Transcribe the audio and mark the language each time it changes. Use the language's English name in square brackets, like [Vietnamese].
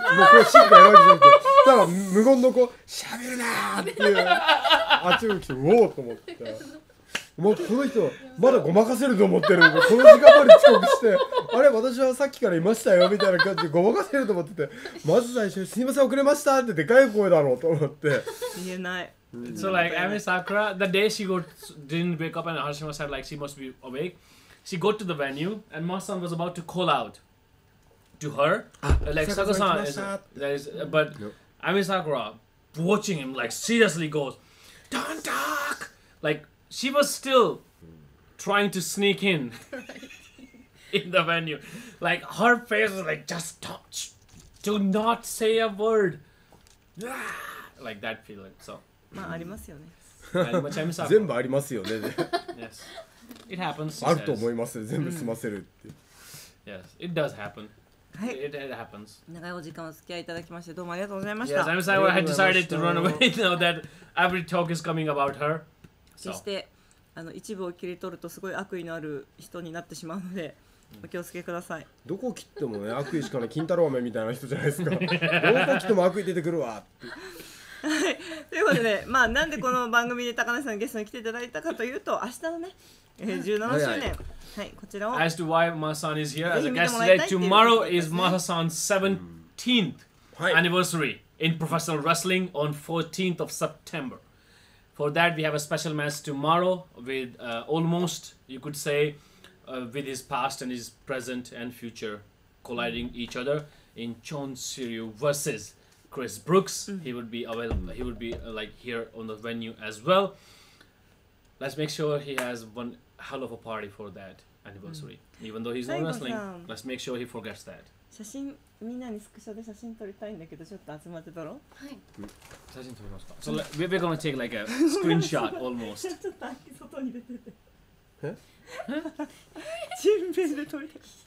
[Japanese] これシーンがやばいじゃんって、ただ無言の子喋るなーっていう、あっちの人ウォーと思って、もうこの人まだごまかせると思ってるの、この時間まで遅刻して、あれ私はさっきからいましたよみたいな感じでごまかせると思ってて、まず最初にすみません遅れましたってでかい声だろうと思って言えない、 [English] うん、So like Ami Sakura, the day she didn't wake up and Harashima said like she must be awake, she got to the venue and Masan was about to call outto her, like Sakura-san, but yep. Ami Sakura watching him like seriously goes, don't talk, like she was still trying to sneak in in the venue. Like her face was like, just touch. Do not say a word. Like that feeling. So. [Japanese] まあありますよね。全部ありますよね。 [English] Yes. It happens. [Japanese] あると思います。全部済ませるって。 [English] Yes. It does happen. [Japanese] はい、 [English] it happens. [Japanese] 長いお時間お付き合いいただきましてどうもありがとうございました。 [English] Yes, I'm sorry. I had decided to run away now that every talk is coming about her. [Japanese] そして、あの一部を切り取るとすごい悪意のある人になってしまうのでお気をつけください。どこ切ってもね悪意しかない金太郎飴みたいな人じゃないですか。どこ切っても悪意出てくるわって。はい、ということで、まあ、なんでこの番組で高梨さんゲストに来ていただいたかというと明日のね、17周年、はいはいはい、こちらを [English] As to why Masa-san is here as a guest today Tomorrow is Masa-san's 17th anniversary in professional wrestling on 14th of September For that we have a special match tomorrow with almost, you could say, with his past and his present and future colliding each other in Chonsiryu versus Chris Brooks, he would be available. He would be like here on the venue as well. Let's make sure he has one hell of a party for that anniversary. Mm. Even though he's not wrestling, let's make sure he forgets that. [Japanese] 写真みんなにスクショで写真撮りたいんだけどちょっと集まってだろ？はい。写真撮りますか？ [English] So we're gonna take like a screenshot almost. [Japanese] ちょっと外に出てて。え？チームページで撮りたい。